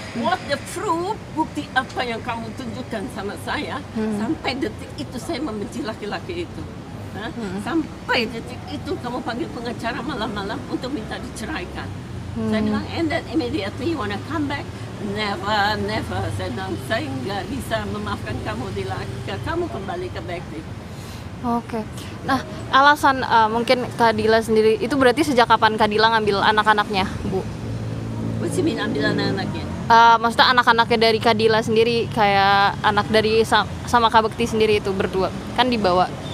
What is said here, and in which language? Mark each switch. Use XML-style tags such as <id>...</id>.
<en>What the proof,</en> <id>bukti apa yang kamu tunjukkan sama saya, sampai detik itu saya membenci laki-laki itu. Sampai detik itu kamu panggil pengacara malam-malam untuk minta diceraikan. Saya bilang,</id> <en>and then immediately you wanna come back? Never.</en> <id>Saya bilang, saya enggak bisa memaafkan kamu Dila, kamu kembali ke Bekti. Oke. Nah, alasan mungkin Kak Dila sendiri, itu berarti sejak kapan Kak Dila ngambil anak-anaknya, Bu?</id> <en>What you mean,</en> <id>ambil anak-anaknya? Maksudnya anak-anaknya dari Kak Dila sendiri, kayak anak dari sama Kak Bekti sendiri itu berdua, kan dibawa?</id>